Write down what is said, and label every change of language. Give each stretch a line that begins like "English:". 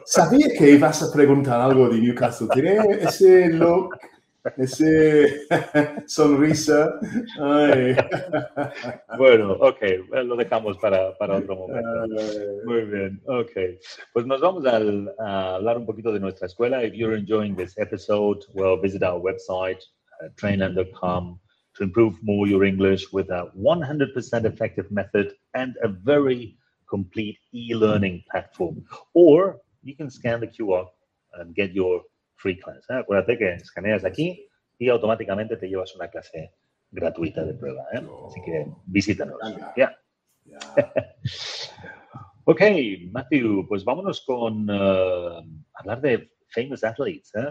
Spanish: Sabía que ibas a preguntar algo de Newcastle. Tiene ese look, ese sonrisa. Ay. Bueno, ok, lo dejamos para otro momento. Muy bien, ok. Pues nos vamos a hablar un poquito de nuestra escuela.
English: If you're enjoying this episode, well, visit our website, trainland.com. To improve more your English with a 100% effective method and a very complete e-learning platform. Or you can scan the QR and get your free class.
Spanish: Acuérdate que escaneas aquí y automáticamente te llevas una clase gratuita de prueba. Así que visítanos. Yeah. Okay, Matthew, pues vámonos con hablar de
English: famous athletes.